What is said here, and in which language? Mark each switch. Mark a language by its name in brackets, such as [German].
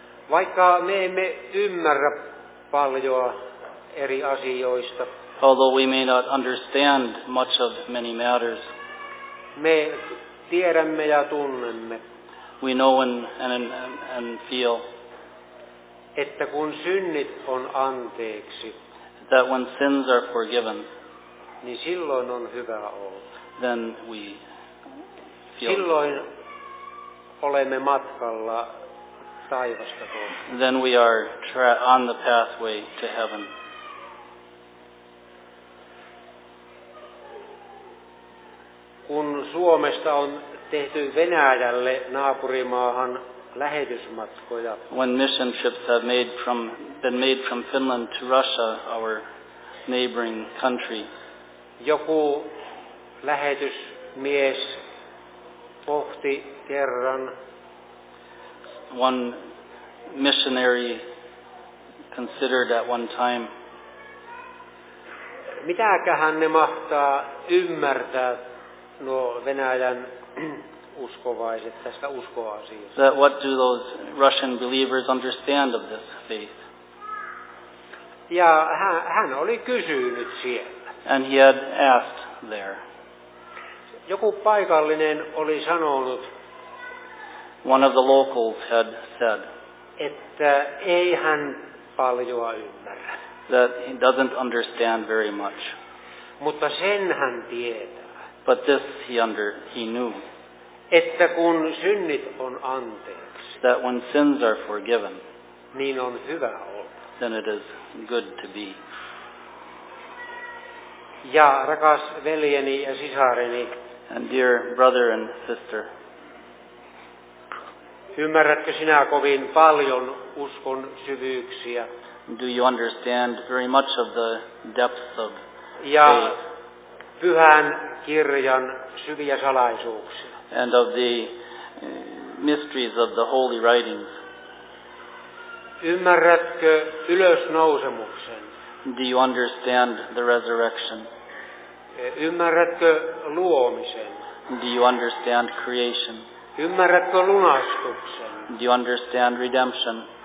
[Finnish] Vaikka me emme ymmärrä paljoa eri asioista, [English] although we may not understand much of many matters, [Finnish] me tiedämme ja tunnemme, [English] we know and feel, [Finnish] että kun synnit on anteeksi, [English] that when sins are forgiven, [Finnish] niin silloin on hyvä olla. [English] Then we feel. [Finnish] Silloin olemme matkalla taivasta kohti. [English] Then we are on the pathway to heaven. [Finnish] Kun Suomesta on tehty Venäjälle naapurimaahan lähetysmatkoja, [English] when mission trips have been made from Finland to Russia, our neighboring country, [Finnish] joku lähetysmies pohti kerran, [English] one missionary considered at one time, [Finnish] mitäköhän ne mahtaa ymmärtää nuo Venäjän uskovaiset tästä uskoasiasta. [English] That what do those Russian believers understand of this faith? [Finnish] Ja hän oli kysynyt siellä. [English] And he had asked there. [Finnish] Joku paikallinen oli sanonut, [English] one of the locals had said, [Finnish] että ei hän paljoa ymmärrä. [English] That he doesn't understand very much. [Finnish] Mutta sen hän tietää. [English] But this he knew. [Finnish] Että kun synnit on anteeksi, [English] that when sins are forgiven, [Finnish] niin on hyvä olla, [English] then it is good to be. [Finnish] Ja rakas veljeni ja sisareni, [English] and dear brother and sister, [Finnish] ymmärrätkö sinä kovin paljon uskon syvyyksiä? [English] Do you understand very much of the depths of faith? [Finnish] Ja pyhän kirjan syviä salaisuuksia. [English] And of the mysteries of the holy writings. [Finnish] Ymmärrätkö ylösnousemuksen? [English] Do you understand the resurrection? [Finnish] Ymmärrätkö luomisen? [English] Do you understand creation? [Finnish] Ymmärrätkö lunastuksen? [English] Do you understand redemption?